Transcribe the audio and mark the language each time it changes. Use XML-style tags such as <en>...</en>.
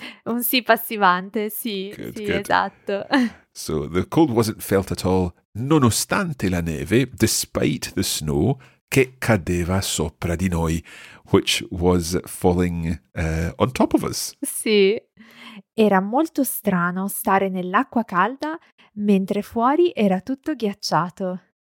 <it>Un sì passivante, sì, good, sì, good. Esatto.</it> <en>So the cold wasn't felt at all,</en> <it>nonostante la neve,</it> <en>despite the snow,</en> <it>che cadeva sopra di noi,</it> <en>which was falling on top of us.</en> <it>Sì, era molto strano stare nell'acqua calda mentre fuori era tutto ghiacciato.</it>